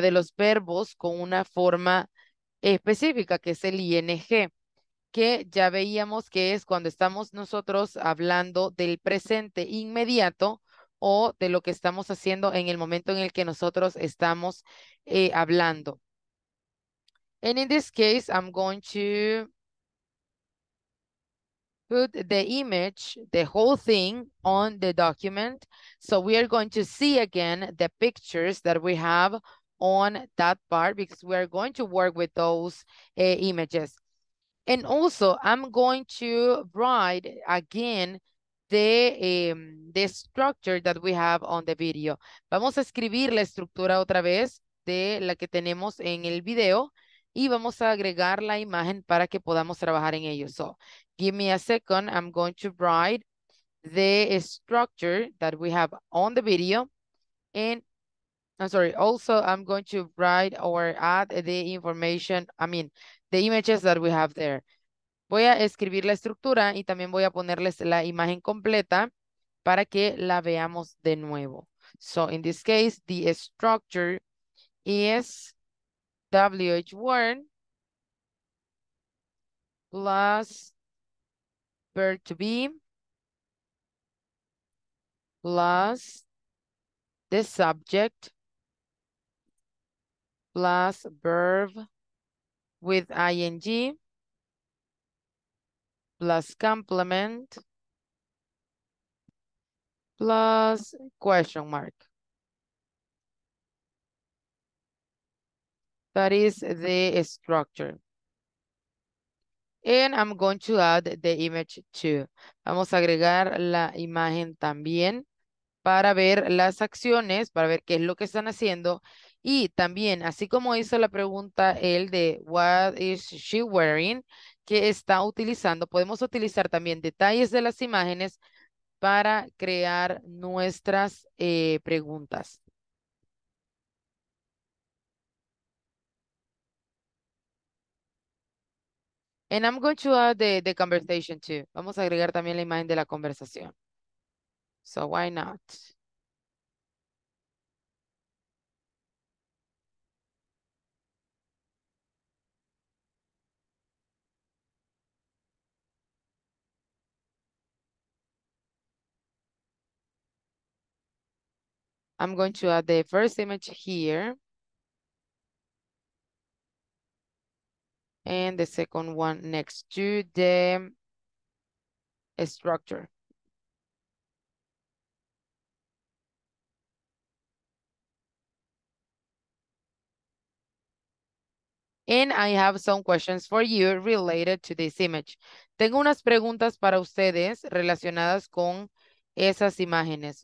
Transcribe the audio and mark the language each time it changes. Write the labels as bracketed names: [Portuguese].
[Spanish] De los verbos con una forma específica, que es el ING, que ya veíamos que es cuando estamos nosotros hablando del presente inmediato o de lo que estamos haciendo en el momento en el que nosotros estamos hablando. [English] And in this case, I'm going to put the image, the whole thing, on the document. So we are going to see again the pictures that we have on that part because we are going to work with those images. And also, I'm going to write again the structure that we have on the video. [Spanish] Vamos a escribir la estructura otra vez de la que tenemos en el video. Y vamos a agregar la imagen para que podamos trabajar en ello. So, [English] Give me a second. I'm going to write the structure that we have on the video. And I'm sorry. Also, I'm going to write or add the information, the images that we have there. [Spanish] Voy a escribir la estructura y también voy a ponerles la imagen completa para que la veamos de nuevo. [English] So in this case, the structure is WH1 plus verb to be plus the subject plus verb with ing plus complement plus question mark. That is the structure. And I'm going to add the image too. [Spanish] Vamos a agregar la imagen también para ver las acciones, para ver qué es lo que están haciendo. Y también, así como hizo la pregunta él de [English] what is she wearing, [Spanish] qué está utilizando, podemos utilizar también detalles de las imágenes para crear nuestras preguntas. [English] And I'm going to add the conversation too. [Spanish] Vamos a agregar también la imagen de la conversación. [English] So why not? I'm going to add the first image here. And the second one next to the structure. And I have some questions for you related to this image. [Spanish] Tengo unas preguntas para ustedes relacionadas con esas imágenes.